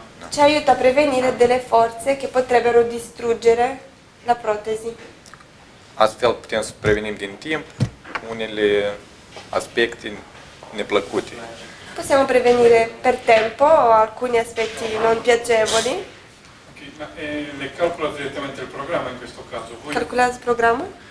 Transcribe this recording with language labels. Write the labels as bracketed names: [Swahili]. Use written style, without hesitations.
[Italian] Ci aiuta a prevenire delle forze che potrebbero distruggere la protesi. [Romanian] Astfel putem să prevenim din timp unele aspecti neplăcute. [Italian] Possiamo prevenire per tempo alcuni aspetti non piacevoli. Ma le calcola direttamente il programma in questo caso? Voi calcolate il programma?